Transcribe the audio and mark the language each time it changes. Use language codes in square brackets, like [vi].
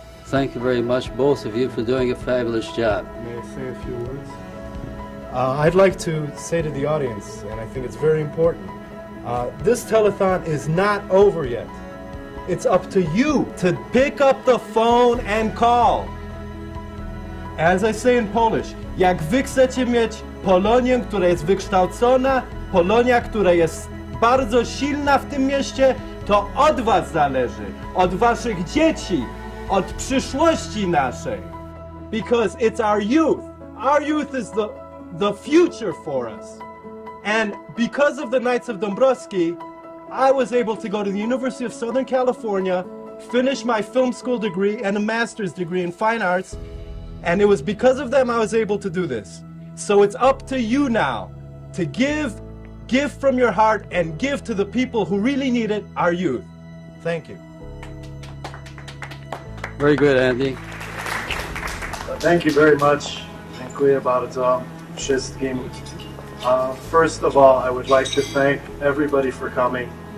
[en] Thank you very much, both of you, for doing a fabulous job. May I say a few words? I'd like to say to the audience, and I think it's very important, this telethon is not over yet. It's up to you to pick up the phone and call. As I say in Polish, [pl] jak wy chcecie mieć Polonię, która jest wykształcona, Polonia, która jest bardzo silna w tym mieście, to od was zależy, od waszych dzieci, od przyszłości naszej. [en] Because it's our youth. Our youth is the future for us. And because of the Knights of Dabrowski, I was able to go to the University of Southern California, finish my film school degree and a master's degree in fine arts, and it was because of them I was able to do this. So it's up to you now to give from your heart and give to the people who really need it, our youth. Thank you. Very good, Andy. Thank you very much. [pl] Dziękuję bardzo wszystkim. [en] First of all, I would like to thank everybody for coming.